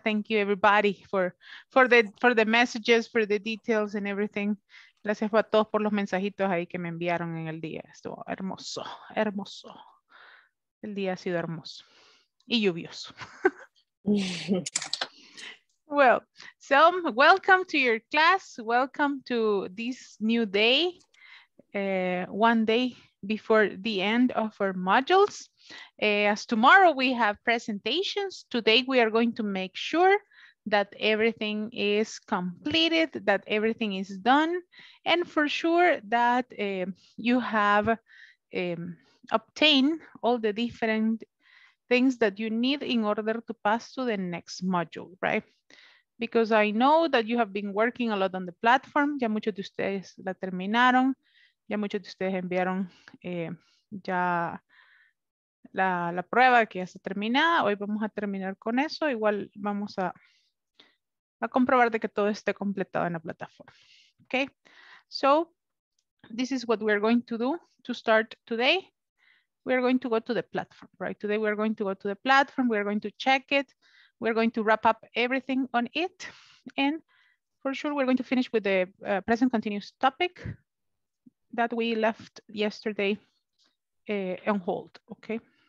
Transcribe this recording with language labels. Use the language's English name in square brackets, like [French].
[English] Thank you, everybody, for the messages, for the details and everything. [Spanish] Gracias a todos por los mensajitos ahí que me enviaron en el día. Estuvo hermoso, hermoso. El día ha sido hermoso y lluvioso. [English] Well, so welcome to your class. Welcome to this new day. One day before the end of our modules. As tomorrow we have presentations, today we are going to make sure that everything is completed, that everything is done, and for sure that you have obtained all the different things that you need in order to pass to the next module, right? Because I know that you have been working a lot on the platform. [Spanish] Ya muchos de ustedes la terminaron. Ya muchos de ustedes enviaron ya la prueba que ya está terminada. Hoy vamos a terminar con eso. Igual vamos a comprobar de que todo esté completado en la plataforma. [English] Okay. So this is what we're going to do to start today. We're going to go to the platform, right? Today we're going to go to the platform. We're going to check it. We're going to wrap up everything on it. And for sure, we're going to finish with the present continuous topic that we left yesterday on hold, okay?